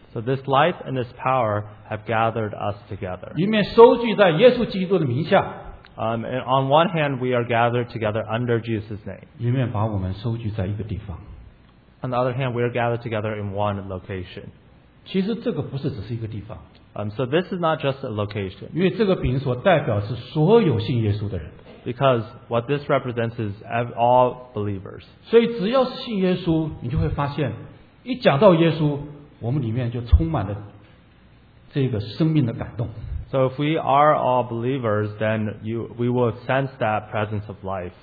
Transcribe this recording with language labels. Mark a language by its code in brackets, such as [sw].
[en] So this life and this power have gathered us together. [zh] 一面收聚在耶稣基督的名下, [en] and on one hand, we are gathered together under Jesus' name. [zh] 一面把我们收聚在一个地方, [en] on the other hand, we are gathered together in one location. [zh] 其实这个不是只是一个地方, [en] so this is not just a location. [zh] 因为这个饼所代表是所有信耶稣的人, [en] because what this represents is all believers. [zh] 所以只要是信耶稣, 你就会发现, 一讲到耶稣, 我们里面就充满了这个生命的感动。 [en] So if we are all believers, then we will sense that presence of life.